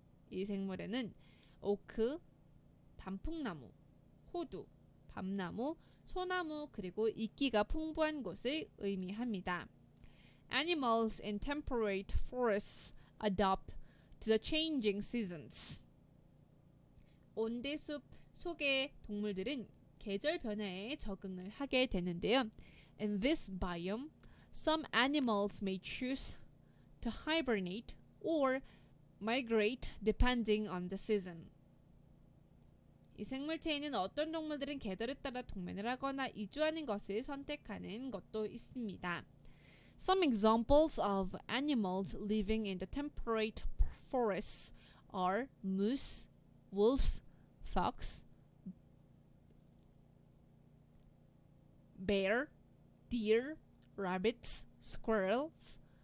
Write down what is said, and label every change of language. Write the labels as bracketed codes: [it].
[ko] 이 생물에는 오크, 단풍나무, 호두, 밤나무, 소나무, 그리고 이끼가 풍부한 곳을 의미합니다. [en] Animals in temperate forests adopt to the changing seasons. [ko] 온대숲 속의 동물들은 계절 변화에 적응을 하게 되는데요. [en] In this biome, some animals may choose to hibernate or migrate depending on the season. [ko] 이 생물체에는 어떤 동물들은 계절에 따라 동면을 하거나 이주하는 것을 선택하는 것도 있습니다. [en] Some examples of animals living in the temperate forests are moose, wolves, fox, bear, deer, rabbits, squirrels,